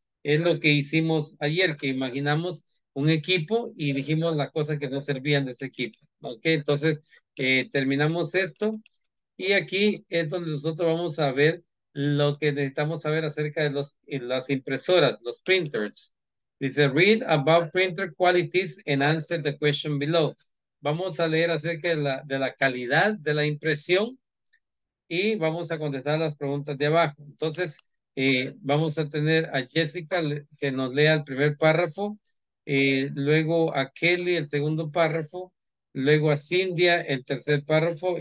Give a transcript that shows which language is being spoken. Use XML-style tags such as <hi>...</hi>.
<es>Es lo que hicimos ayer, que imaginamos un equipo y dijimos las cosas que no servían de ese equipo. ¿Okay? Entonces, terminamos esto. Y aquí es donde nosotros vamos a ver lo que necesitamos saber acerca de las impresoras, los printers. Dice,</es> <en>read about printer qualities and answer the question below.</en> <es>Vamos a leer acerca de la calidad de la impresión. Y vamos a contestar las preguntas de abajo. Entonces, vamos a tener a Jessica que nos lea el primer párrafo. Luego a Kelly el segundo párrafo. Luego a Cynthia el tercer párrafo.</es>